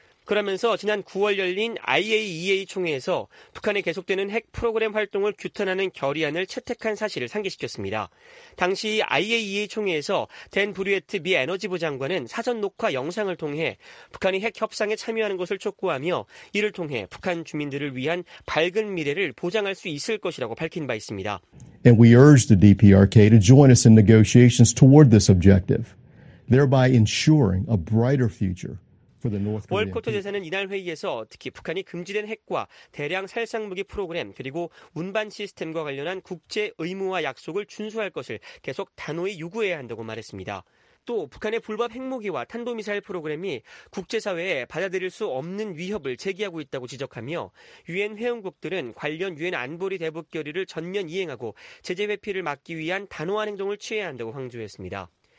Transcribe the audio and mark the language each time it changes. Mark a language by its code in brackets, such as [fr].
[ko] 그러면서 지난 9월 열린 IAEA 총회에서 북한의 계속되는 핵 프로그램 활동을 규탄하는 결의안을 채택한 사실을 상기시켰습니다. 당시 IAEA 총회에서 댄 브류에트 미 에너지부 장관은 사전 녹화 영상을 통해 북한이 핵 협상에 참여하는 것을 촉구하며 이를 통해 북한 주민들을 위한 밝은 미래를 보장할 수 있을 것이라고 밝힌 바 있습니다. [en] And we urge the DPRK to join us in negotiations toward this objective, thereby ensuring a brighter future. [ko] 월코트 대사는 이날 회의에서 특히 북한이 금지된 핵과 대량 살상무기 프로그램 그리고 운반 시스템과 관련한 국제 의무와 약속을 준수할 것을 계속 단호히 요구해야 한다고 말했습니다. 또 북한의 불법 핵무기와 탄도미사일 프로그램이 국제사회에 받아들일 수 없는 위협을 제기하고 있다고 지적하며 유엔 회원국들은 관련 유엔 안보리 대북 결의를 전면 이행하고 제재 회피를 막기 위한 단호한 행동을 취해야 한다고 강조했습니다.